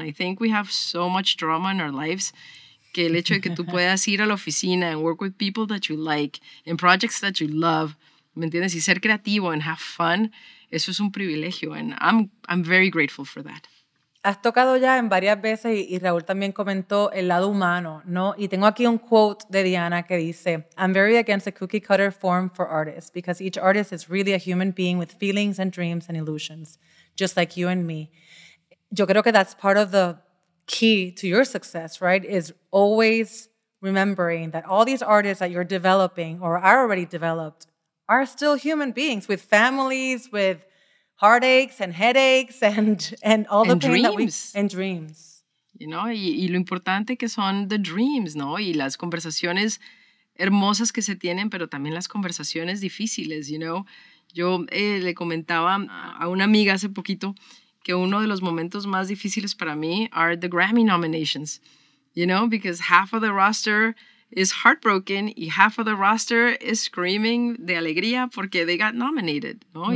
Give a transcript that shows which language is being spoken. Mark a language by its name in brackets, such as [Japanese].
[English] I think we have so much drama in our lives [Spanish] que el hecho de que tú puedas ir a la oficina [English] and work with people that you like and projects that you love, [Spanish] ¿me entiendes? Y ser creativo [English] and have fun, [Spanish] eso es un privilegio [English] and I'm very grateful for that. [Spanish] Has tocado ya en varias veces y Raúl también comentó el lado humano, ¿no? Y tengo aquí un quote de Diana que dice, [English] I'm very against the cookie cutter form for artists because each artist is really a human being with feelings and dreams and illusions, just like you and me. [Spanish] Yo creo que [English] that's part of the key to your success, right? Is always remembering that all these artists that you're developing or are already developed are still human beings with families, with heartaches and headaches and all the and pain dreams. That we, and dreams. [Spanish] You know, y lo importante que son [English] the dreams, [Spanish] ¿no? Y las conversaciones hermosas que se tienen, pero también las conversaciones difíciles, you know. Yo le comentaba a una amiga hace poquito que uno de los momentos más difíciles para mí [English] are the Grammy nominations, you know, because half of the roster is heartbroken [Spanish] y [English] half of the roster is screaming [Spanish] de alegría porque [English] they got nominated, [Spanish] ¿no?